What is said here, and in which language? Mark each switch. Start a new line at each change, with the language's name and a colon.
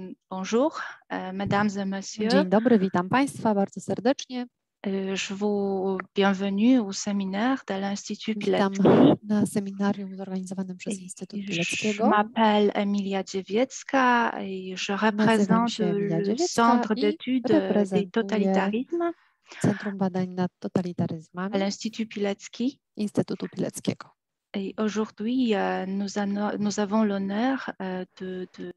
French: Bonjour, mesdames et messieurs.
Polish: Dzień dobry, witam Państwa bardzo serdecznie.
French: Je vous bienvenue au séminaire de l'Institut Pileckiego.
Polish: Witam na seminarium zorganizowanym przez Instytut Pileckiego.
French: Je m'appelle Emilia Dziewiecka i je représente le Centre d'études des totalitarismes.
Polish: Centrum Badań nad Totalitaryzmami.
French: L'Institut Pilecki.
Polish: Instytutu Pileckiego.
French: Et aujourd'hui, nous avons l'honneur de...